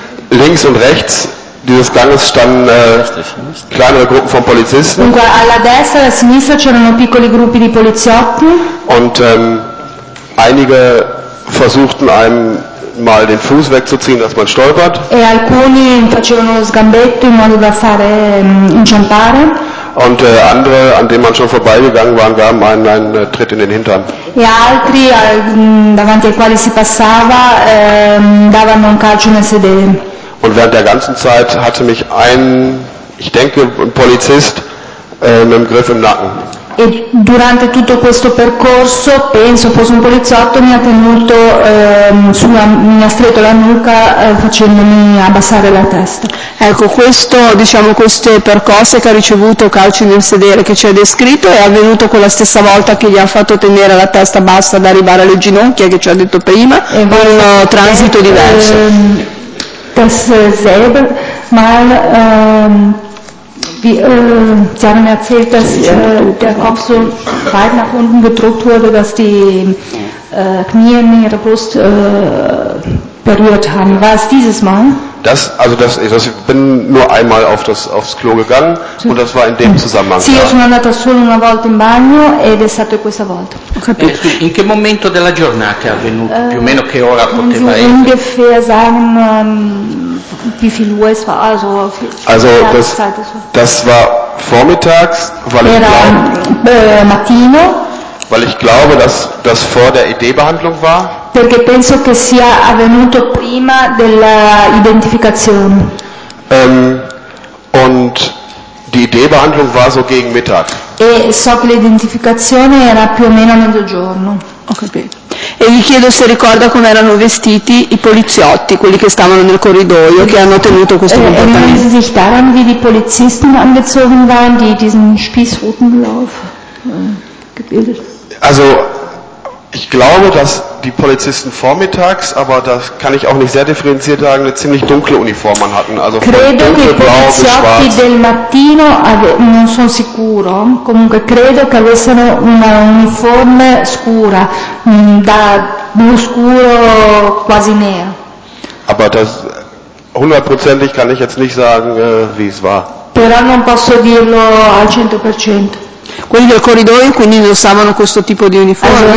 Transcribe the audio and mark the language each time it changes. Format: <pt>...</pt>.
<de>Links und rechts dieses Ganges standen kleinere Gruppen von Polizisten.</de> <it>Dunque, alla destra e alla sinistra c'erano piccoli gruppi di poliziotti.</it> <de>Und einige versuchten einem mal den Fuß wegzuziehen, dass man stolpert.</de> <it>E alcuni facevano lo sgambetto in modo da fare inciampare.</it> <de>Und andere, an denen man schon vorbeigegangen waren, gaben einen Tritt in den Hintern.</de> <it>E altri, davanti ai quali si passava, davano un calcio nel sedere.</it> <de>Und während der ganzen Zeit hatte mich ein, ich denke, ein Polizist mit dem Griff im Nacken.</de> <it>E durante tutto questo percorso, penso fosse un poliziotto, mi ha tenuto sulla, mi ha stretto la nuca facendomi abbassare la testa. Ecco, questo, diciamo, queste percosse che ha ricevuto, calci nel sedere che ci ha descritto, è avvenuto quella stessa volta che gli ha fatto tenere la testa bassa ad arrivare alle ginocchia, che ci ha detto prima, con un transito diverso.</it> <de>Sie haben erzählt, dass der Kopf so weit nach unten gedrückt wurde, dass die Knie in ihrer Brust berührt haben. War es dieses Mal? Das, also das, das, ich bin nur einmal auf das, aufs Klo gegangen und das war in dem Zusammenhang.</de> <it>Sì, sono andata solo una volta in bagno ed è stato questa volta. In che momento della giornata è avvenuto? Più o meno che ora poteva essere?</it> <de>Ungefähr sagen, wie viel Uhr es war, also, also das, das war vormittags, weil</de> <it>era,</it> <de>ich glaube,</de> <it>mattino,</it> <de>weil ich glaube, dass das vor der ED-Behandlung war.</de> <it>Perché penso che sia avvenuto prima dell'identificazione.</it> <de>Und die ED-Behandlung war so gegen Mittag.</de> <it>E so che l'identificazione era più o meno a mezzogiorno. Ho capito. E gli chiedo se ricorda come erano vestiti i poliziotti, quelli che stavano nel corridoio, che hanno tenuto questo comportamento.</it> <de>Erinnern Sie sich daran, wie die Polizisten angezogen waren, die diesen spießroten Lauf gebildet haben? Also, ich glaube, dass die Polizisten vormittags, aber das kann ich auch nicht sehr differenziert sagen, eine ziemlich dunkle Uniform an hatten. Also</de> <it>credo che i poliziotti del mattino, non sono sicuro, comunque credo che avessero una uniforme scura, da blu scuro quasi nero.</it> <de>Aber das hundertprozentig kann ich jetzt nicht sagen, wie es war.</de> <it>Però non posso dirlo al 100%. Quelli del corridoio quindi indossavano questo tipo di uniforme.</it>